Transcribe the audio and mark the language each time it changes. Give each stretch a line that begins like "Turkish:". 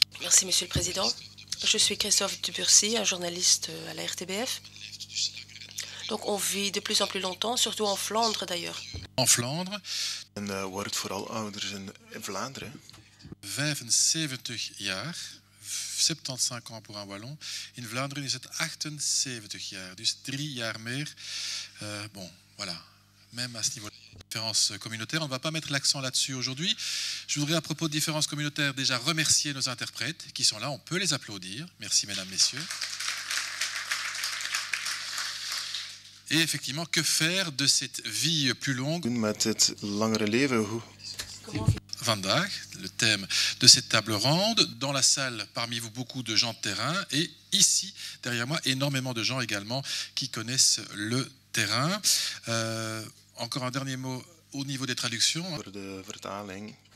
French: Merci, monsieur le président. Je suis Christophe Dubursy, un journaliste à la RTBF. Donc on vit de plus en plus longtemps, surtout en Flandre d'ailleurs. En Flandre.
Dutch: En wordt vooral ouder in Vlaanderen. 75 jaar,
French: 75 ans pour un Wallon.
Dutch: In Vlaanderen is het 78 jaar, dus 3 jaar meer.
French: Bon, voilà. Même à ce niveau-là. Différences communautaires, on ne va pas mettre l'accent là-dessus aujourd'hui. Je voudrais à propos de différences communautaires déjà remercier nos interprètes qui sont là, on peut les applaudir. Merci mesdames, messieurs. Et effectivement, que faire de cette vie plus longue?
Dutch: Met het langere leven, hoe? Vandaag,
French: le thème de cette table ronde, dans la salle parmi vous beaucoup de gens de terrain et ici, derrière moi, énormément de gens également qui connaissent le terrain. Encore un dernier mot au niveau des traductions. Pour
Dutch: de vertaling.